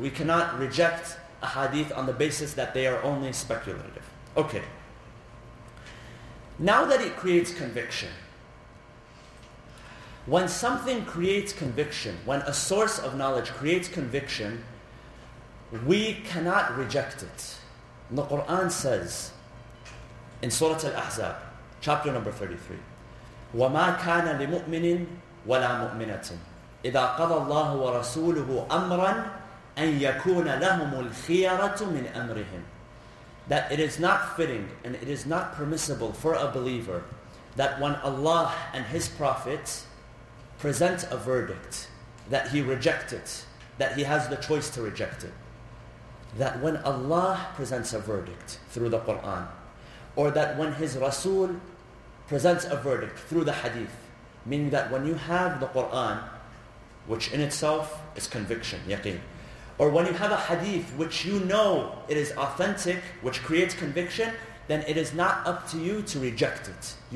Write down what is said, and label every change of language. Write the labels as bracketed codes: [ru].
[en] We cannot reject ahadith on the basis that they are only speculative. Okay. Now that it creates conviction, when something creates conviction, when a source of knowledge creates conviction, we cannot reject it. And the Quran says in Surah Al-Ahzab, chapter number 33, [ar] وَمَا كَانَ لِمُؤْمِنٍ وَلَا مُؤْمِنَةٍ إِذَا قَضَى اللَّهُ وَرَسُولُهُ أَمْرًا أَن يَكُونَ لَهُمُ الْخِيَرَةُ مِنْ أَمْرِهِمْ. [en] That it is not fitting and it is not permissible for a believer that when Allah and His Prophet present a verdict, that he reject it, that he has the choice to reject it. That when Allah presents a verdict through the Quran, or that when His Rasul presents a verdict through the Hadith, meaning that when you have the Quran, which in itself is conviction, yaqeen, or when you have a hadith which you know it is authentic, which creates conviction, then it is not up to you to reject it.